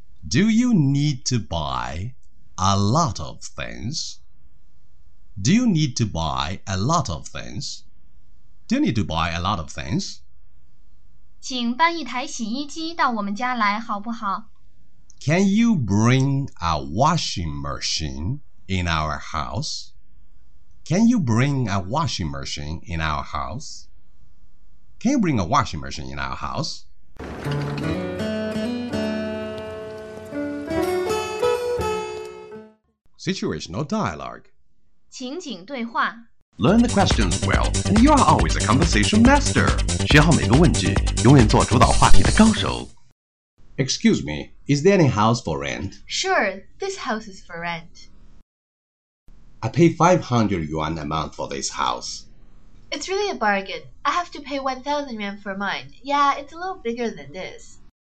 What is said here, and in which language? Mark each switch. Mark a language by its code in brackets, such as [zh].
[en] Do you need to buy a lot of things? Do you need to buy a lot of things? Do you need to buy a lot of things? [zh] 请搬一台洗衣机到我们家来好不好？ [en] Can you bring a washing machine in our house? Can you bring a washing machine in our house? Can you bring a washing machine in our house? Situational dialogue. [zh] 情景对话。 [en] Learn the questions well, and you are always a conversation master. [zh] 学好每个问句，永远做主导话题的高手。 [en] Excuse me, is there any house for rent? Sure, this house is for rent. I pay 500 yuan a month for this house. It's really a bargain. I have to pay 1,000 yuan for mine. Yeah, it's a little bigger than this.